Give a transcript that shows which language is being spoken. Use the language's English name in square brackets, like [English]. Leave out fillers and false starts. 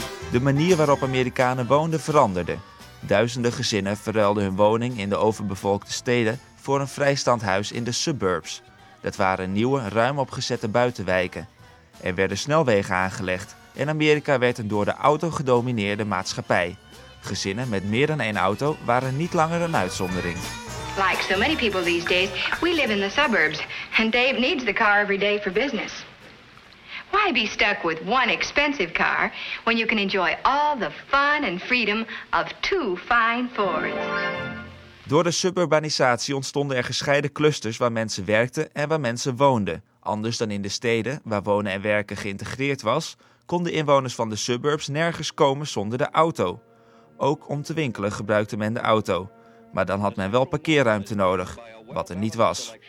[Dutch] De manier waarop Amerikanen woonden veranderde. Duizenden gezinnen verruilden hun woning in de overbevolkte steden voor een vrijstaand huis in de suburbs. Dat waren nieuwe, ruim opgezette buitenwijken. Er werden snelwegen aangelegd en Amerika werd een door de auto gedomineerde maatschappij. Gezinnen met meer dan één auto waren niet langer een uitzondering. [English] Like so many people these days, we live in the suburbs and Dave needs the car every day for business. Why be stuck with one expensive car when you can enjoy all the fun and freedom of two fine Fords? [Dutch] Door de suburbanisatie ontstonden er gescheiden clusters waar mensen werkten en waar mensen woonden. Anders dan in de steden, waar wonen en werken geïntegreerd was, konden inwoners van de suburbs nergens komen zonder de auto. Ook om te winkelen gebruikte men de auto. Maar dan had men wel parkeerruimte nodig, wat er niet was.